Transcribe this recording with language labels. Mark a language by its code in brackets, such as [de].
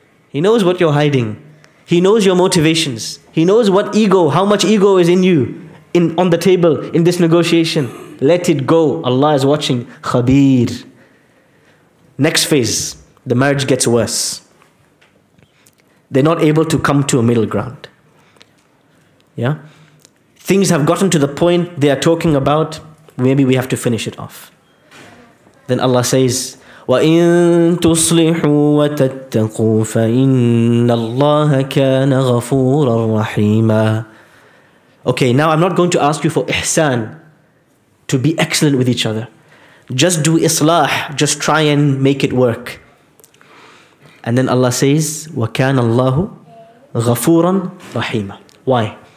[en] He knows what you're hiding. He knows your motivations. He knows what ego, how much ego is in you, on the table, in this negotiation. Let it go. Allah is watching. Khabir. Next phase, the marriage gets worse. They're not able to come to a middle ground. Yeah? Things have gotten to the point they are talking about, maybe we have to finish it off. [ar] Then Allah says, وَإِن تُصْلِحُوا وَتَتَّقُوا فَإِنَّ اللَّهَ كَانَ غَفُورًا رَحِيمًا. [en] Okay, now I'm not going to ask you for ihsan, to be excellent with each other. Just do islah, just try and make it work. And then Allah says, [ar] وَكَانَ اللَّهُ غَفُورًا رَحِيمًا. [en] Why?